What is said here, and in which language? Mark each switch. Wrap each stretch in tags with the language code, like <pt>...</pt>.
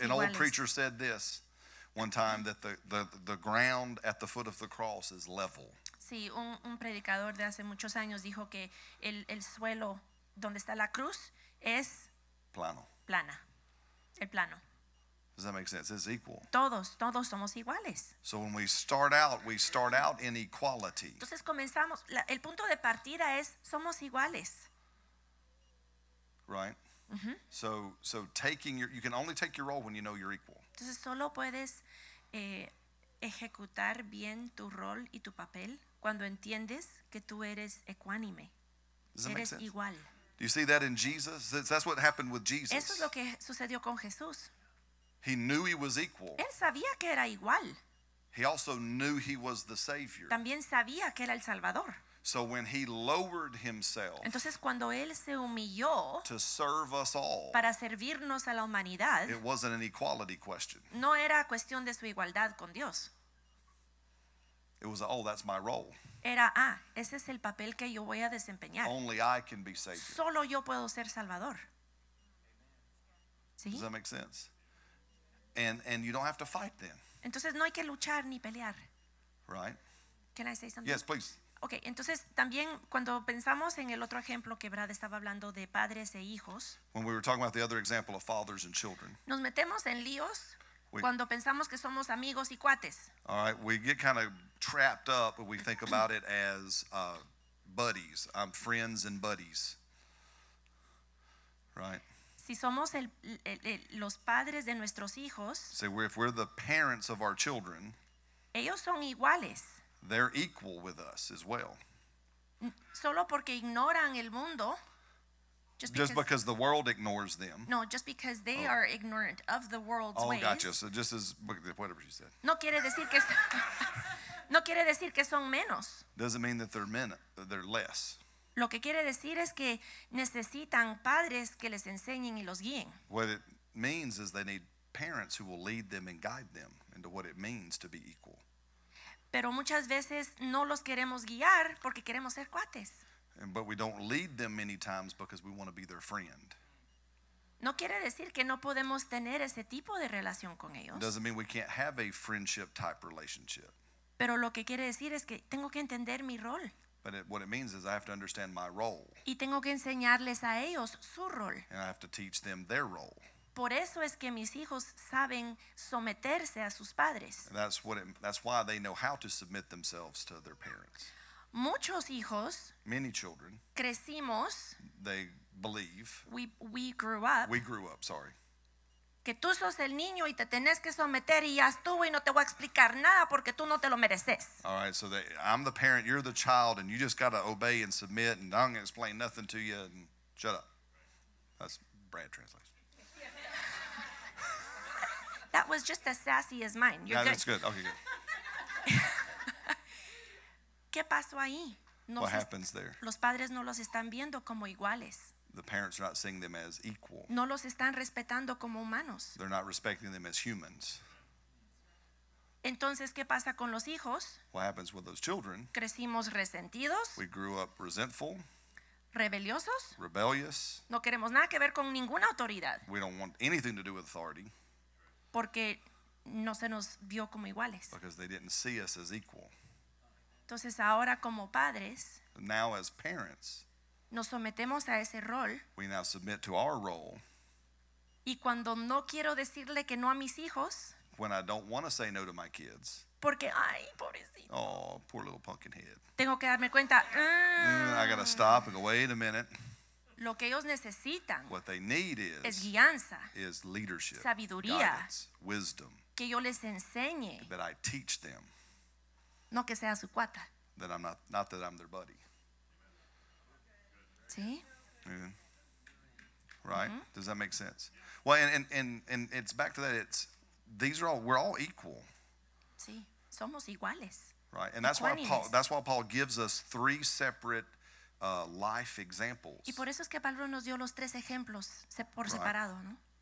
<en>An old preacher said this one time that the ground at the foot of the cross is level.</en> <es>Sí, un predicador de hace muchos años dijo que el suelo donde está la cruz es plano. Plana. El plano.</es> <en>Does that make sense? It's equal.</en> <es>Todos somos iguales.</es> <en>So when we start out in equality.</en> <es>Entonces comenzamos, el punto de partida es somos iguales.</es> <en>Right? Mm-hmm. So taking you can only take your role when you know you're equal.</en> <es>Entonces solo puedes ejecutar bien tu rol y tu papel cuando entiendes que tú eres ecuánime, eres igual.</es> <en>Do you see that in Jesus? That's what happened with Jesus.</en> <es>Eso es lo que sucedió con Jesús.</es> <en>He knew he was equal.</en> <es>Él sabía que era igual.</es> <en>He also knew he was the Savior.</en> <es>También sabía que era el Salvador.</es> <en>So when he lowered himself,</en> <es>entonces cuando él se humilló,</es> <en>to serve us all,</en> <es>para servirnos a la humanidad,</es> <en>it wasn't an equality question.</en> <es>No era cuestión de su igualdad con Dios.</es> <en>It was, oh, that's my role.</en> <es>Era, ese es el papel que yo voy a desempeñar.</es> <en>Only I can be Savior.</en> <es>Solo yo puedo ser Salvador. ¿Sí?</es> <en>Does that make sense? And you don't have to fight then.</en> <es>Entonces no hay que luchar ni pelear.</es> <en>Right? Can I say something? Yes, please.</en> <es>Okay, entonces también cuando pensamos en el otro ejemplo que Brad estaba hablando de padres e hijos.</es> <en>When we were talking about the other example of fathers and children.</en> <es>Nos metemos en líos cuando pensamos que somos amigos y cuates.</es> <en>All right, we get kind of trapped up when we think about it as buddies. I'm friends and buddies. Right?</en> <es>Si somos los padres de nuestros hijos.</es> <en>So if we're the parents of our children.</en> <es>Ellos son iguales.</es> <en>They're equal with us as well.</en> <es>Solo porque ignoran el mundo.</es> <en>Just because the world ignores them. No, just because they are ignorant of the world's ways. Oh, gotcha. So just as whatever she said.</en> <es>No quiere decir que no quiere decir que son menos.</es> <en>Doesn't mean that they're less.</en> <es>Lo que quiere decir es que necesitan padres que les enseñen y los guíen.</es> <en>What it means is they need parents who will lead them and guide them into what it means to be equal.</en> <es>Pero muchas veces no los queremos guiar porque queremos ser cuates.</es> <en>And, but we don't lead them many times because we want to be their friend.</en> <es>No quiere decir que no podemos tener ese tipo de relación con ellos.</es> <en>Doesn't mean we can't have a friendship type relationship.</en> <es>Pero lo que quiere decir es que tengo que entender mi rol.</es> <en>But it, what it means is I have to understand my role.</en> <es>Y tengo que enseñarles a ellos su rol.</es> <en>And I have to teach them their role.</en> <es>Por eso es que mis hijos saben someterse a sus padres.</es> <en>That's why they know how to submit themselves to their parents.</en> <es>Muchos hijos,</es> <en>many children,</en> <es>crecimos,</es> <en>they believe, we grew up,</en> <es>que tú sos el niño y te tenés que someter y ya estuvo y no te voy a explicar nada porque tú no te lo mereces.</es> <en>All right, so they, I'm the parent, you're the child, and you just got to obey and submit, and I'm going to explain nothing to you, and shut up. That's Brad translation. That was just as sassy as mine. You're good. That's good. Okay, good.</en> <es>¿Qué pasó ahí?</es> <en>What happens there?</en> <es>Los padres no los están viendo como iguales.</es> <en>The parents are not seeing them as equal.</en> <es>No los están respetando como humanos.</es> <en>They're not respecting them as humans.</en> <es>Entonces, ¿qué pasa con los hijos?</es> <en>What happens with those children?</en> <es>Crecimos resentidos.</es> <en>We grew up resentful.</en> <es>Rebeliosos.</es> <en>Rebellious.</en> <es>No queremos nada que ver con ninguna autoridad.</es> <en>We don't want anything to do with authority.</en> <es>Porque no se nos vio como iguales.</es> <en>Because they didn't see us as equal.</en> <es>Entonces ahora como padres,</es> <en>now as parents,</en> <es>nos sometemos a ese rol.</es> <en>We now submit to our role.</en> <es>Y cuando no quiero decirle que no a mis hijos,</es> <en>when I don't want to say no to my kids,</en> <es>porque ay, pobrecito.</es> <en>Oh, poor little pumpkin head.</en> <es>Tengo que darme cuenta.</es> <en>I gotta stop and go, wait a minute.</en> <es>Lo que ellos necesitan,</es> <en>what they need is,</en> <es>es guianza,</es> <en>is leadership,</en> <es>sabiduría,</es> <en>guidance, wisdom,</en> <es>que yo les enseñe,</es> <en>that I teach them,</en> <es>no que sea su cuata,</es> <en>that I'm not that I'm their buddy.</en> <es>¿Sí?</es> <en>Yeah. Right? Mm-hmm. Does that make sense? Well, and it's back to that. It's these are all, we're all equal.</en> <es>Sí, somos iguales.</es> <en>Right, and that's why Paul gives us three separate life examples.</en> <es>Y por eso es que Pablo nos dio los tres ejemplos por separado, ¿no?</es>